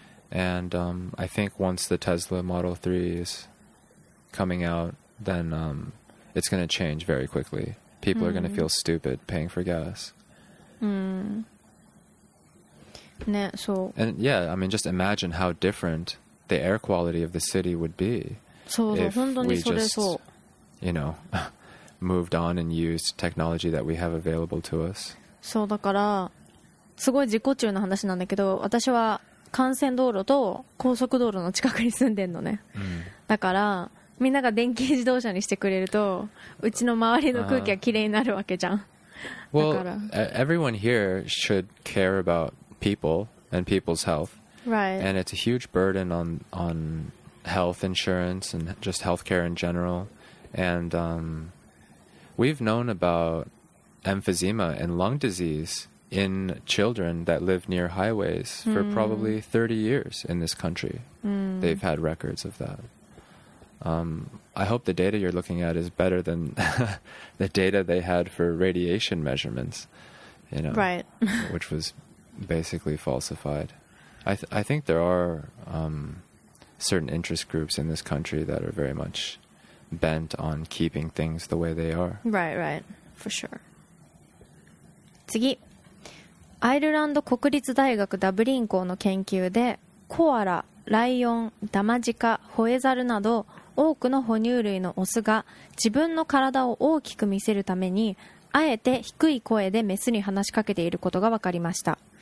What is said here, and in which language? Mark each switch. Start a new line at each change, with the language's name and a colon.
English: And I think once the Tesla Model 3 is coming out, then it's going to change very quickly. People are going to feel stupid paying for gas.
Japanese: ね、そう。
English: And yeah, I mean, just imagine how different the air quality of the city would be.
Japanese: そうそう、本当にそれそう。
English: You know, moved on and used technology that we have available to us.
Japanese: そうだから、すごい自己中の話なんだけど、私は幹線道路と高速道路の近くに住んでんのね。だから、みんなが電気自動車にしてくれると、うちの周りの空気はきれいになるわけじゃん。
English: Well, everyone here should care about people and people's health. Right. And it's a huge burden on health insurance and just healthcare in general. And we've known about emphysema and lung disease in children that live near highways for probably 30 years in this country. They've had records of that. I hope the data you're looking at is better than the data they had for radiation measurements, you know, right. which was basically falsified. I think there are certain interest groups in this country that are very much... bent on keeping things the way they are. Right, right. For sure.
Japanese: 次。アイルランド国立大学ダブリン校の研究で、コアラ、ライオン、ダマジカ、ホエザルなど多くの哺乳類のオスが自分の体を大きく見せるためにあえて低い声でメスに話しかけていることが分かりました。